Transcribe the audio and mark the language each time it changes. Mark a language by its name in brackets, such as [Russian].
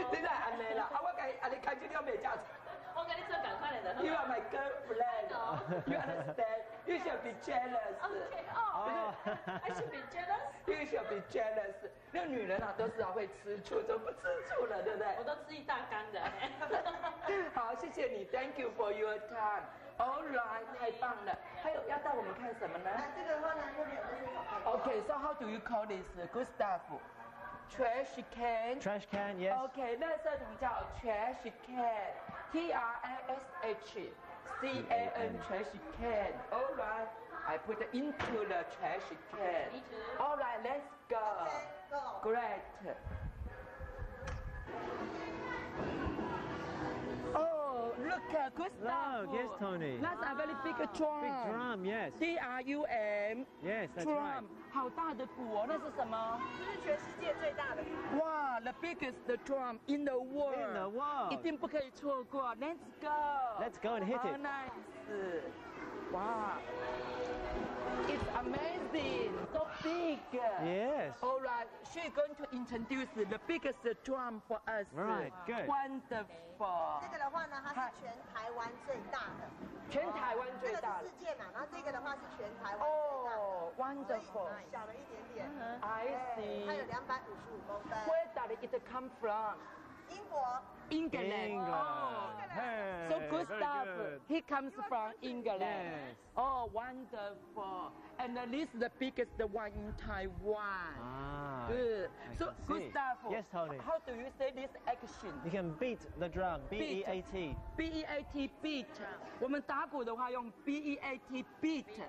[Chinese] 你来安尼啦，啊我改阿你开始你要买假钞。我跟你做赶快来的。 [English] You are my girlfriend. You understand? You should be jealous. Okay. Oh. I should be jealous. You should be jealous. [Chinese] 那女人啊，都是啊会吃醋，怎么不吃醋了，对不对？我都吃一大缸的。好，谢谢你 [English] ，Thank you for your time。 All right， [Chinese] 太棒了。还有要带我们看什么呢？那这个的话呢，有两个是什么 [English] ？Okay， so how do you call this? Good stuff。 Trash can。 Trash can， yes。 Okay， [Chinese] 垃圾桶叫 [English] trash can。 T R A S H C A N， trash can。 All right。 I put it into the trash can. All right, let's go. Okay, go. Great. Oh, look, good stuff. Look, yes, Tony. That's a very big drum. Big drum, yes. D-R-U-M. Yes, that's drum. Right. [Chinese] 好大的鼓哦，那是什么？这是全世界最大的鼓。 [English] 哇 the biggest drum in the world. In the world. [Chinese] 一定不可以错过。 [English] Let's go. Let's go and hit it. How nice. Wow, it's amazing, so big. Yes. All right, she's going to introduce the biggest drum for us. Right, good. Wonderful. [Chinese] 这个的话呢，它是全台湾最大的。全台湾最大的。这个是世界嘛，然后这个的话是全台湾最大的。 [English] Oh, wonderful. [Chinese] 小了一点点。 [English] I see. [Chinese] 它有255公分。 [English] Where did it come from? [Chinese] 英国。 [English] England. Oh, hey, so Gustav, he comes from England. Yes. Oh, wonderful. And this is the biggest one in Taiwan. Ah, good. So, Gustav, yes, Tony. How do you say this action? You can beat the drum, B-E-A-T. B-E-A-T, beat. [Chinese] 我们打鼓的话用 B-E-A-T, beat.